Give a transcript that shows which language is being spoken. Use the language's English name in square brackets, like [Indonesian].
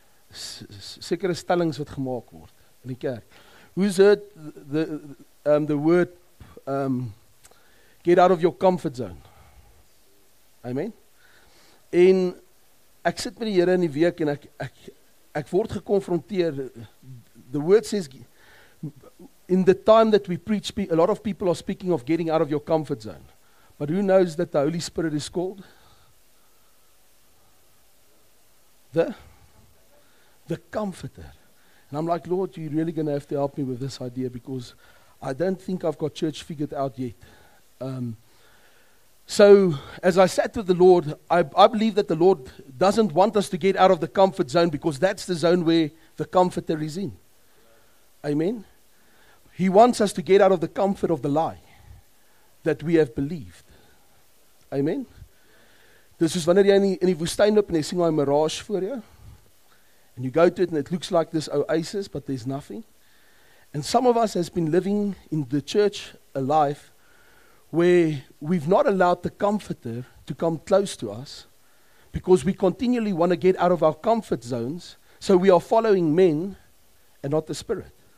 [Afrikaans] Sekere stellings wat gemaak word in die kerk. [English] Who's heard the word get out of your comfort zone. Amen. [Afrikaans] En ek sit met die Here in die week en ek word gekonfronteer. [English] The word says in the time that we preach a lot of people are speaking of getting out of your comfort zone. But who knows that the Holy Spirit is called? The comforter. And I'm like, Lord, you're really going to have to help me with this idea because I don't think I've got church figured out yet. So as I sat with the Lord, I believe that the Lord doesn't want us to get out of the comfort zone because that's the zone where the comforter is in. Amen? He wants us to get out of the comfort of the lie that we have believed. Amen? [Afrikaans] Dis soos wanneer jy in die woestyn loop en jy sien 'n mirage voor jou. [English] And you go to it and it looks like this oasis, but there's nothing. And some of us has been living in the church a life where we've not allowed the comforter to come close to us because we continually want to get out of our comfort zones, so we are following men and not the Spirit.